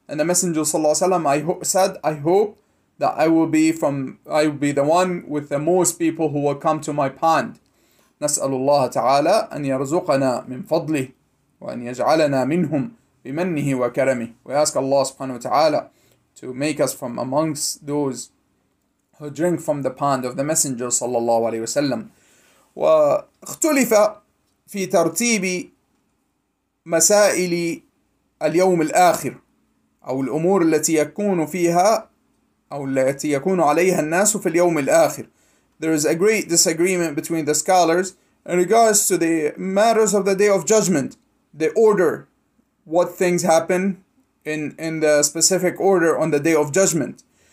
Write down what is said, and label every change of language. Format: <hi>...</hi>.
<en>And the Messenger</en> <ar>صلى الله عليه وسلم</ar> <en>said, I hope that I will be the one with the most people who will come to my pond.</en> <ar>نسأل الله تعالى أن يرزقنا من فضله وأن يجعلنا منهم بمنه وكرمه.</ar> <en>We ask Allah subhanahu wa ta'ala to make us from amongst those who drink from the pond of the Messenger</en> <ar>صلى الله عليه وسلم. واختلف في ترتيب مسائل اليوم الآخر أو الأمور التي يكون فيها أو التي يكون عليها الناس في اليوم الآخر.</ar> <en>There is a great disagreement between the scholars in regards to the matters of the Day of Judgment, the order, what things happen in the specific order on the Day of Judgment.</en>